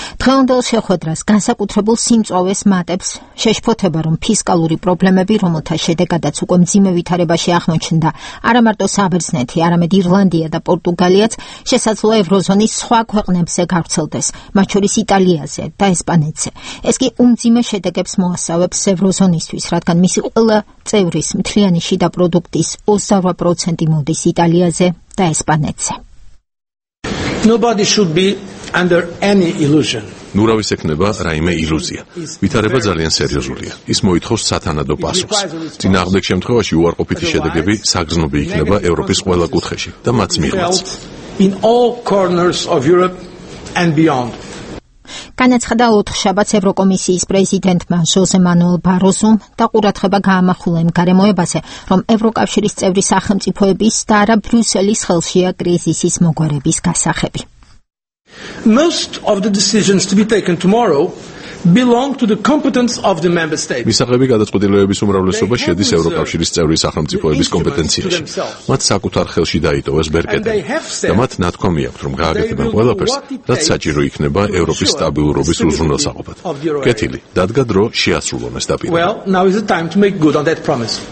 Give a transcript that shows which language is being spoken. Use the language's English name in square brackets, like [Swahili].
[Georgian] დღევანდელ შეხვედრას განსაკუთრებულ სიმწოვეს მატებს შეშფოთება, რომ ფისკალური პრობლემები, რომელთა შედეგადაც უკვე მძიმე ვითარებაში აღმოჩნდა არამარტო საბერძნეთი, არამედ ირლანდია და პორტუგალიაც, შესაძლოა ევროზონის სხვა ქვეყნებზე გავრცელდეს, მათ შორის იტალიაზე და ესპანეთზე. ეს კი უმძიმე შედეგებს მოასავებს ევროზონისთვის, რადგან მისი ყველა წევრის მთლიანი შიდა პროდუქტის 28% მოდის იტალიაზე და ესპანეთზე. [English] Nobody should be under any illusion. [Georgian] ნურავის ექნება რაიმე ილუზია. ვითარება ძალიან სერიოზულია. ის მოითხოვს სათანადო პასუხს. წინააღმდეგ შემთხვევაში უარყოფითი შედეგები საგრძნობი იქნება ევროპის ყველა კუთხეში და მათ მიღმაც. [English] In all corners of Europe and beyond. [Georgian] განაცხადა ოთხ შაბათს ევროკომისიის პრეზიდენტმა ჟოზე მანუელ ბაროზომ და ყურადღება გაამახვილა იმ გარემოებაზე, რომ ევროკავშირის წევრი სახელმწიფოების და არა ბრიუსელის ხელშია კრიზისის მოგვარების გასახები. [English] Most of the decisions to be taken tomorrow belong to the competence of the member states. [Georgian] მისაღები გადაწყვეტილებების უმრავლესობა შედის ევროკავშირის წევრის სახელმწიფოების კომპეტენციაში. მათ საკუთარ ხელში დაიტოვეს ბერკეტები და მათ ნათქვამი აქვთ, რომ გააკეთებენ ყველაფერს, რაც საჭირო იქნება ევროპის სტაბილურობის უზრუნველსაყოფად. კეთილი, დადგა დრო შეასრულონ ეს დაპირებები.